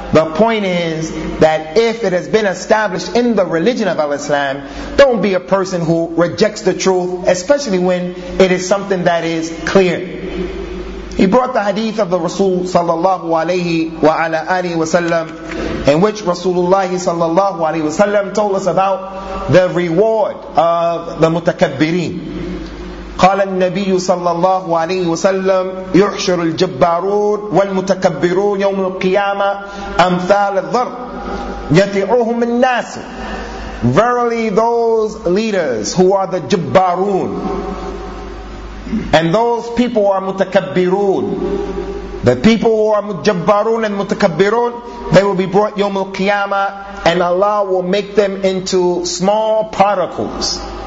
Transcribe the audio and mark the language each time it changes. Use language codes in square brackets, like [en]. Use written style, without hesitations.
[en] The point is that if it has been established in the religion of al-Islam, don't be a person who rejects the truth, especially when it is something that is clear. He brought the hadith of the Rasul sallallahu alayhi wa ala alihi wa sallam, in which Rasulullah sallallahu alayhi wa sallam told us about the reward of the mutakabbirin. [ar] قال النبي صلى الله عليه وسلم يحشر الجبارون والمتكبرون يوم القيامة أمثال الذر يتعوهم الناس. [en] Verily those leaders who are the jabbarun, and those people who are mutakabbirun, the people who are mujabbarun and mutakabbirun, they will be brought [ar] يوم القيامة, [en] and Allah will make them into small particles.